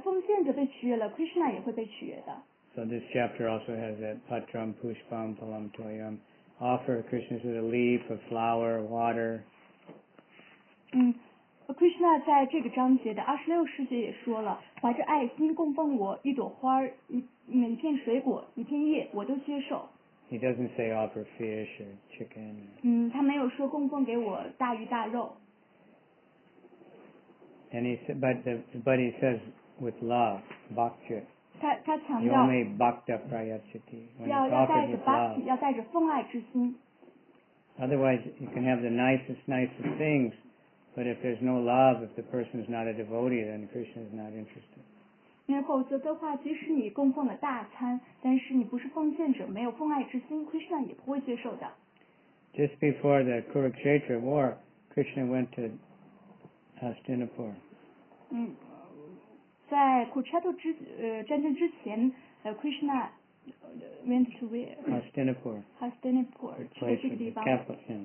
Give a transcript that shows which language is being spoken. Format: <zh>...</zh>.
<zh>奉献者被取悦了， Krishna 也会被取悦的。</zh> <en>So this chapter also has that</en> <sa>patram pushpam palam toyam.</sa> <en>Offer Krishna with a leaf, a flower, water.</en> <zh>Krishna 在这个章节的二十六世界也说了，怀着爱心供奉我一朵花，一片水果，一片叶，我都接受。</zh> <en>He doesn't say offer fish or chicken.</en> <zh>他没有说供奉给我大鱼大肉。</zh> <en>And he said, but he says with love, bhakti.</en> <zh>他强调。</zh> <en>You only</en> <sa>bhakta prayasati.</sa> <zh>要带着 bhakti， 要带着奉爱之心。</zh> <en>Otherwise, you can have the nicest things. But if there's no love, if the person is not a devotee, then Krishna is not interested.</en> <zh>那否则的话，即使你供奉了大餐，但是你不是奉献者，没有奉爱之心， Krishna 也不会接受的。</zh> <en>Just before the Kurukshetra war, Krishna went to Hastinapur.</en> <zh>在 Kurukshetra 战争之前，</zh> <en>Krishna went to where? Hastinapur. Hastinapur. The place of the capital.</en>